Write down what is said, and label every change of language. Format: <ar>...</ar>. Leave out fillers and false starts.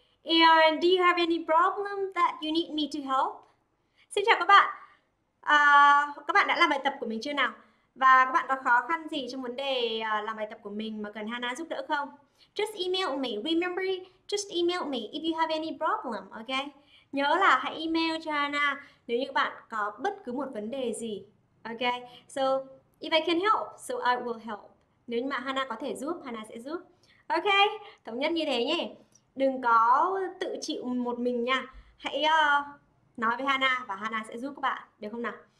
<en>And do you have any problem that you need me to help?</en> <vi>Xin chào các bạn. Các bạn đã làm bài tập của mình chưa nào? Và các bạn có khó khăn gì trong vấn đề làm bài tập của mình mà cần Hana giúp đỡ không?</vi> <en>Just email me. Remember, just email me if you have any problem, okay?</en> <vi>Nhớ là hãy email cho Hana nếu như các bạn có bất cứ một vấn đề gì. Okay?</vi> <en>So, if I can help, so I will help.</en> <vi>Nếu mà Hana có thể giúp, Hana sẽ giúp. Ok, thống nhất như thế nhé. Đừng có tự chịu một mình nha. Hãy nói với Hana và Hana sẽ giúp các bạn, được không nào?</vi>